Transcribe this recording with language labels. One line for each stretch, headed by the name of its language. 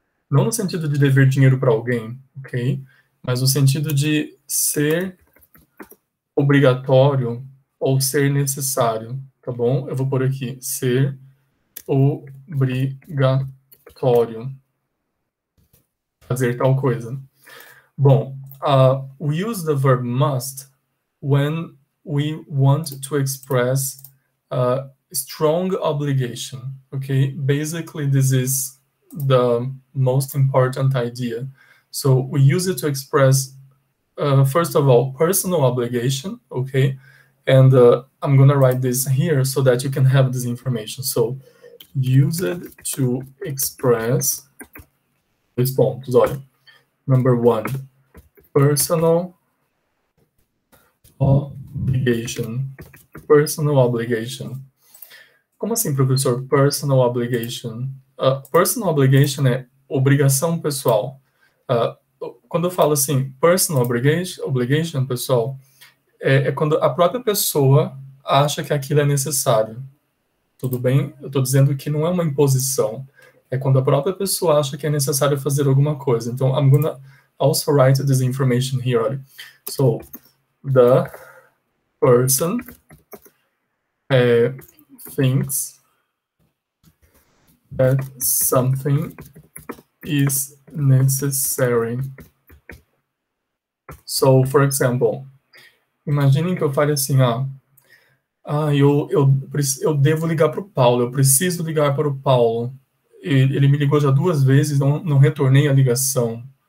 Portuguese: Não no sentido de dever dinheiro para alguém, ok? Mas no sentido de ser obrigatório ou ser necessário. Tá bom? Eu vou pôr aqui, ser obrigatório, fazer tal coisa.
English: Bom, we use the verb must when we want to express strong obligation, okay? Basically, this is the most important idea. So we use it to express, first of all, personal obligation, okay? And I'm going to write this here so that you can have this information. So, use it to express, number one, personal obligation.
Portuguese: Personal obligation. Como assim, professor?
English: Personal obligation. Personal obligation
Portuguese: é obrigação pessoal. Quando eu falo assim, personal obligation, pessoal, é quando a própria pessoa acha que aquilo é necessário. Tudo bem? Eu estou dizendo que não é uma imposição. É quando a própria pessoa acha que é necessário fazer alguma coisa.
English: Então, I'm gonna also write this information here. So, the person thinks that something is necessary. So, for example,
Portuguese: imaginem que eu fale assim, eu devo ligar para o Paulo, eu preciso ligar para o Paulo. Ele me ligou já duas vezes, não retornei a ligação.